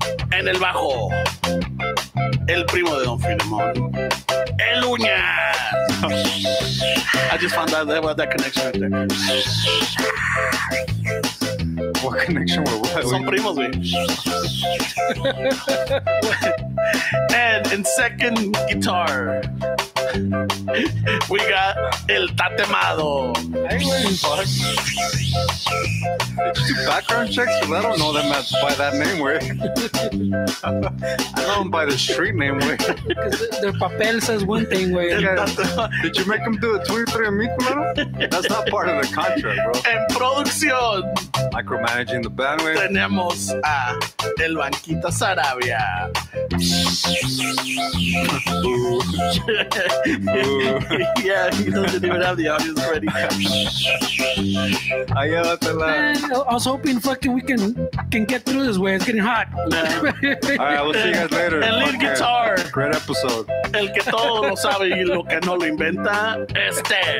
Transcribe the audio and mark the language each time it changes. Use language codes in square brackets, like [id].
[es] En el bajo, el primo de Don Filemon, El Uña. [en] I just found out there was that connection right there. What connection were we? Some primos, we. And in second guitar, we got El Tatemado. Did you do background checks? Because I don't know them by that name, way. I know them by the street name, way. Because their papel says one thing, way. Did you make them do a 23 and me, claro? That's not part of the contract, bro. [es] En producción. [en] Micromanaging the band, way. [es] Tenemos a El Banquito Sarabia. [en] Yeah, he doesn't even have the audience ready. I was hoping fucking we can get through this way. It's getting hot. Yeah. All right, we'll see you guys later. And lead guitar. Man. Great episode. [es] El que todo lo sabe y lo que no lo inventa es Dan.